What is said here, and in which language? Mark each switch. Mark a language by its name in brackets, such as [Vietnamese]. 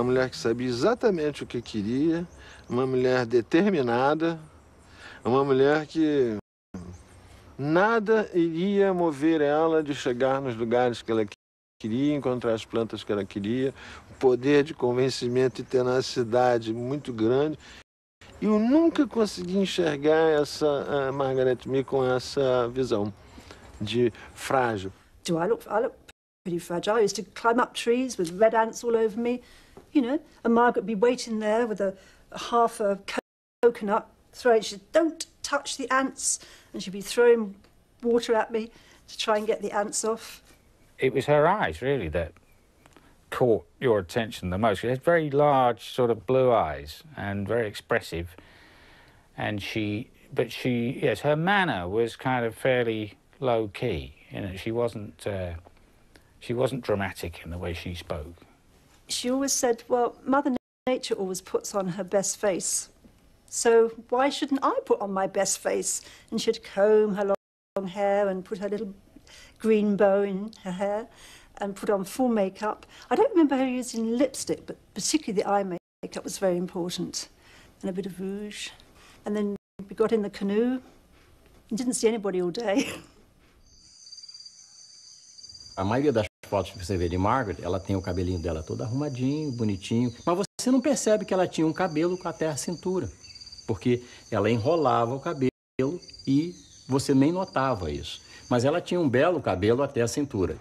[Portuguese] Que sabia exatamente o que queria, uma mulher determinada, uma mulher que nada iria mover ela de chegar nos lugares que ela queria, encontrar as plantas que ela queria, o poder de convencimento e tenacidade muito grande. Eu nunca consegui enxergar essa Margaret Mead com essa visão de frágil. [English] Do I look pretty fragile? I used to climb up trees with red ants all over me. You know, and Margaret would be waiting there with a half a coconut throwing. She'd say, "Don't touch the ants," and she'd be throwing water at me to try and get the ants off. It was her eyes, really, that caught your attention the most. She had very large, sort of blue eyes and very expressive. And yes, her manner was kind of fairly low key. You know, she wasn't dramatic in the way she spoke. She always said, well, Mother Nature always puts on her best face. So why shouldn't I put on my best face? And she'd comb her long hair and put her little green bow in her hair and put on full makeup. I don't remember her using lipstick, but particularly the eye makeup was very important. And a bit of rouge. And then we got in the canoe and didn't see anybody all day. [Portuguese] Fotos que você vê de Margaret, ela tem o cabelinho dela todo arrumadinho, bonitinho, mas você não percebe que ela tinha um cabelo até a cintura, porque ela enrolava o cabelo e você nem notava isso. Mas ela tinha um belo cabelo até a cintura.